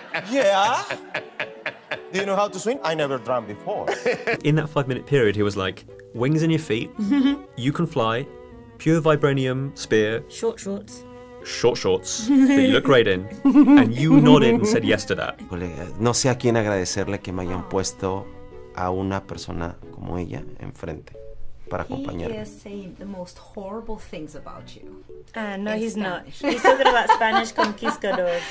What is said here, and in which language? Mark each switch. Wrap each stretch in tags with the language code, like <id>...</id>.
<en>Yeah. Do you know how to swim? I never drowned before. In that 5 minute period, he was like, wings in your feet, you can fly, pure vibranium spear. Short shorts, that you look great in, and you nodded and said yes to that.</en> <es>No sé a quién agradecerle que me hayan puesto a una persona como ella enfrente para acompañarme.</es> <en>He is saying the most horrible things about you. No, he's not. He's talking about Spanish conquistadors.</en>